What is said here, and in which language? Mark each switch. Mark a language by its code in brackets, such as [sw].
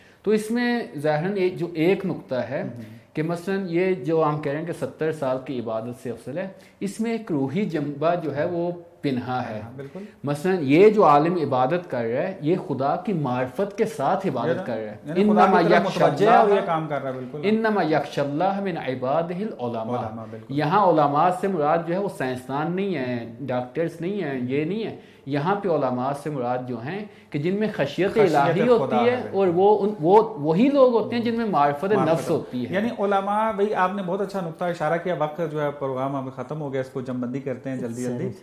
[ur] تو اس میں ظاہراً جو ایک نقطہ ہے کہ مثلاً یہ جو ہم کہہ رہے ہیں کہ 70 سال کی عبادت سے افضل ہے, اس میں ایک روحی جنبہ جو ہے وہ پنہا ہے. مثلاً یہ جو عالم عبادت کر رہا ہے یہ خدا کی معرفت کے ساتھ عبادت کر رہا ہے. [ar] انما یخشى اللہ, [ur] یہ کام کر رہا ہے, [ar] انما یخشى اللہ من عباده العلماء. [ur] یہاں علماء سے مراد جو ہے وہ سائنسدان نہیں ہیں, ڈاکٹرز نہیں ہیں, یہ نہیں ہیں. یہاں پہ علماء سے مراد جو ہیں کہ جن میں خشیت الہی ہوتی ہے, اور وہی لوگ ہوتے ہیں جن میں معرفت نفس ہوتی ہے. یعنی علماء, بھائی آپ نے بہت اچھا نقطہ اشارہ کیا, وقت جو ہے پروگرام ابھی ختم ہو گیا, اس کو جم بندی کرتے ہیں جلدی جلدی.